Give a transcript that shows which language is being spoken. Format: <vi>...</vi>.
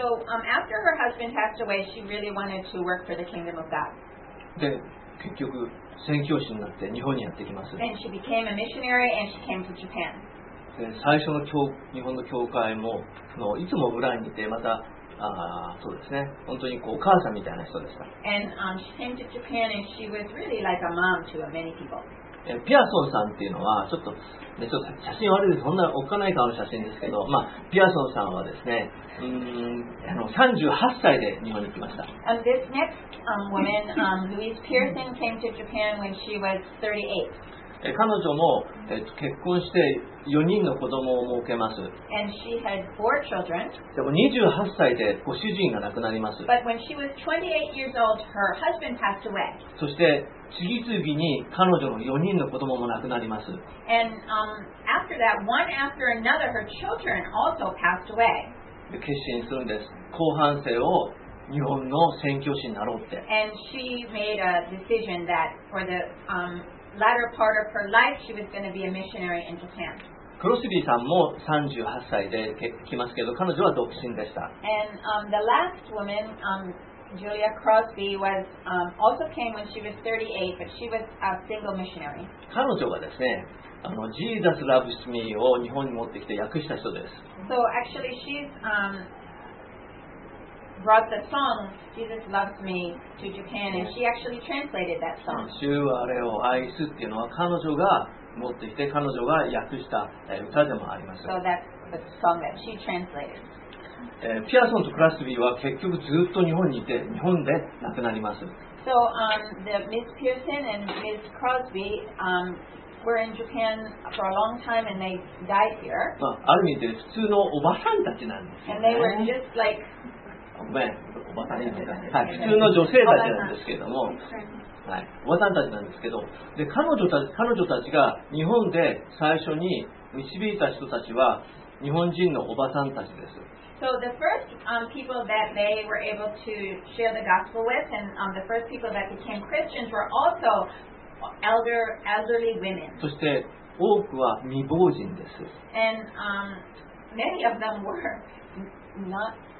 <en>So, after her husband passed away, she really wanted to work for the kingdom of God.</en> <ja>で、結局、宣教師になって日本にやってきます。</ja> <en>And she became a missionary and she came to Japan.</en> <ja>で、最初の日本の教会も、いつも裏にいて、また、そうですね、本当にこうお母さんみたいな人でした。</ja> <en>And, she came to Japan and she was really like a mom to many people.</en> <ja>ピアソンさんっていうのはちょっと、ね、ちょっと写真悪いです。そんなおっかない顔の写真ですけど、まあ、ピアソンさんはですね、38歳で日本に来ました。</ja> <en>This next woman, Louise Pearson, came to Japan when she was 38.</en> <ja>彼女も、結婚して4人の子供を設けます。</ja> <en>And she had four children.</en> <ja>でも28歳でご主人が亡くなります。</ja> <en>But when she was 28 years old, her husband passed away.</en> <ja>そして次々に彼女の4人の子供も亡くなります。</ja> <en>And, after that, one after another, her children also passed away.</en> <ja>で、決心するんです。後半生を日本の宣教師になろうって。</ja> <en>And she made a decision that for the, latter part of her life, she was going to be a missionary in Japan.</en> <ja>クロスビーさんも38歳で来ますけど、彼女は独身でした。</ja> <en>And, the last woman, Julia Crosby was, also came when she was 38, but she was a single missionary.</en> <ja>彼女はですね、Jesus loves me を日本に持ってきて訳した人です。</ja> <en>So actually she's, brought the song Jesus loves me to Japan and she actually translated that song.</en> <ja>主我を愛すっていうのは彼女が持ってきて彼女が訳した歌でもあります。</ja> <en>So that's the song that she translated.</en> <ja>ピアソンとクラスビーは結局ずっと日本にいて日本で亡くなります。</ja> <en>So, Ms. Pearson and Ms. Crosby, were in Japan for a long time and they died here.</en> <ja>まあ、ある意味で普通のおばさんたちなんですよ、ね。</ja> <en>And they were just like...</en> <ja>ごめん、おばさんたち、はい、普通の女性たちなんですけども、はい、おばさんたちなんですけど、で、彼女たちが日本で最初に導いた人たちは日本人のおばさんたちです。</ja> <en>So the first people that they were able to share the gospel with, and the first people that became Christians were also elderly women.</en> <ja>そして多くは未亡人です。</ja> <en>And many of them were not.</en>